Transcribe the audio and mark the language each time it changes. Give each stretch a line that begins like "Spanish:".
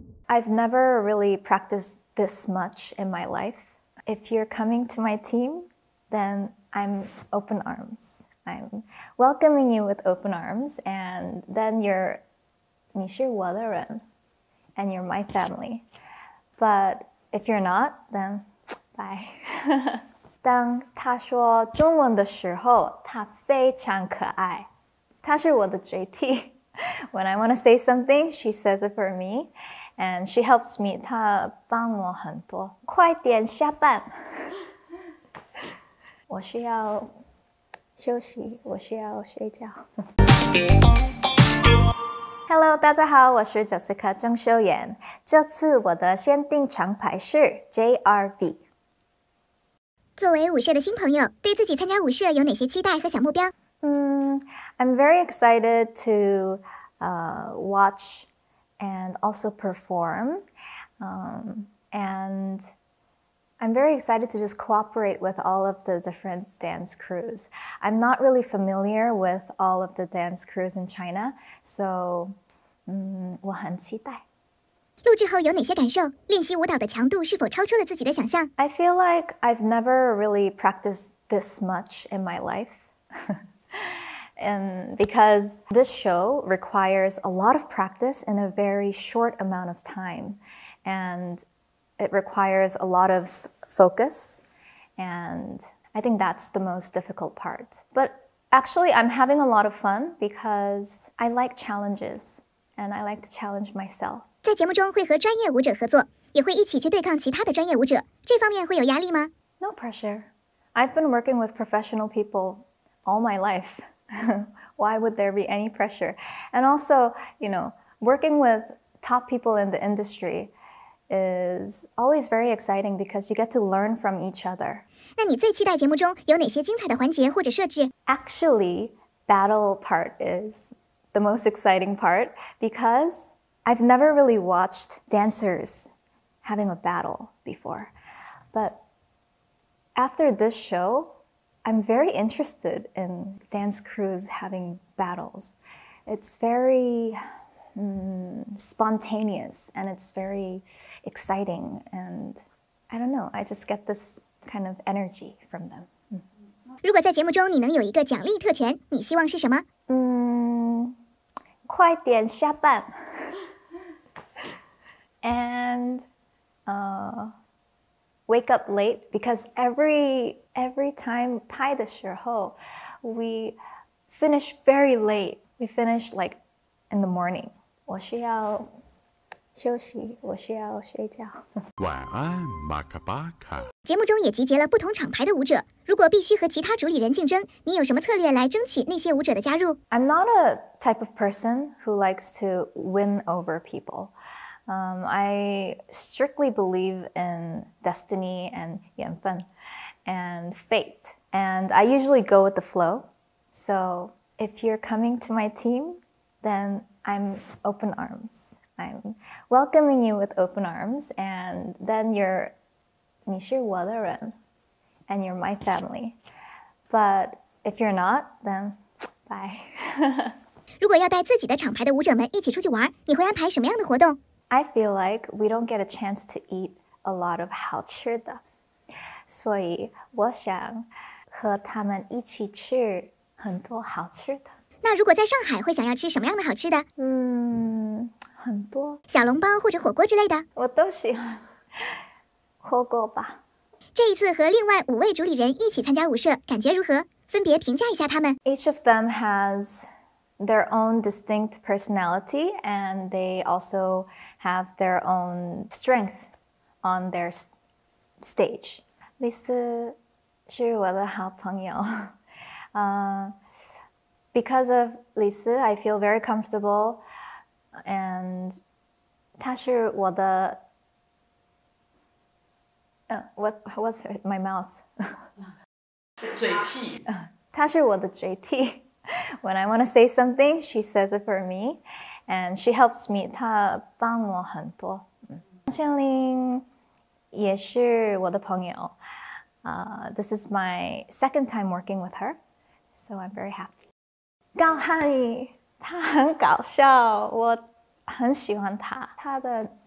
English: I've never really practiced this much in my life. If you're coming to my team, then I'm open arms. I'm welcoming you with open arms, and then you're and you're my family. But if you're not, then bye.
Chinese: 当他说中文的时候，他非常可爱。他是我的 JT.
English: When I want to say something, she says it for me, and she helps me.
Chinese: 她帮我很多。快点下班，我需要休息，我需要睡觉。 Hello, 大家好，我是 Jessica 郑秀妍。这次我的限定厂牌是 JRV。作为舞社的新朋友，对自己参加舞社有哪些期待和小目标？
English: I'm very excited to watch and also perform. And I'm very excited to just cooperate with all of the different dance crews. I'm not really familiar with all of the dance crews in China, so
Chinese: 我很期待。录制后有哪些感受？练习舞蹈的强度是否超出了自己的想象？
English: I feel like I've never really practiced this much in my life. And because this show requires a lot of practice in a very short amount of time. And it requires a lot of focus. And I think that's the most difficult part. But actually, I'm having a lot of fun because I like challenges. And I like to challenge myself.
Chinese: 在节目中会和专业舞者合作，也会一起去对抗其他的专业舞者，这方面会有压力吗？
English: No pressure. I've been working with professional people all my life. Why would there be any pressure? And also, you know, working with top people in the industry is always very exciting because you get to learn from each other.
Chinese: 那你最期待节目中有哪些精彩的环节或者设置？
English: Actually, battle part is the most exciting part because I've never really watched dancers having a battle before. But after this show, I'm very interested in dance crews having battles. It's very spontaneous and it's very exciting. And I don't know, I just get this kind of energy from them.
Chinese: 如果在节目中你能有一个奖励特权，你希望是什么？快点下班。
English: And wake up late because every time
Chinese: 拍的时候
English: we finish very late. We finish like in the morning.
Chinese: 我需要休息，我需要睡觉。晚安，马卡巴卡。节目中也集结了不同厂牌的舞者，如果必须和其他主理人竞争，你有什么策略来争取那些舞者的加入？
English: I'm not a type of person who likes to win over people. I strictly believe in destiny and 缘分 and fate. And I usually go with the flow. So if you're coming to my team, then I'm open arms. I'm welcoming you with open arms. And then you're
Chinese: 你是我的人
English: and you're my family. But if you're not, then bye.
Chinese: 如果要带自己的厂牌的舞者们一起出去玩，你会安排什么样的活动？
English: I feel like we don't get a chance to eat a lot of
Chinese: 好吃的，所以我想和他们一起吃很多好吃的。那如果在上海会想要吃什么样的好吃的？很多。小笼包或者火锅之类的？我都喜欢火锅吧。这一次和另外五位主理人一起参加舞社，感觉如何？分别评价一下他们。
English: Each of them has... their own distinct personality, and they also have their own strength on their stage.
Chinese: 李斯是我的好朋友。
English: Because of 李斯, I feel very comfortable, and
Chinese: 他是我的...
English: what's my mouth?
Chinese: 嘴 T. 他是我的嘴 T.
English: When I want to say something, she says it for me, and she helps me.
Chinese: 她帮我很多。张千玲也是我的朋友。
English: This is my second time working with her, so I'm very happy.
Chinese: 高瀚宇，她很搞笑，我很喜欢她。她的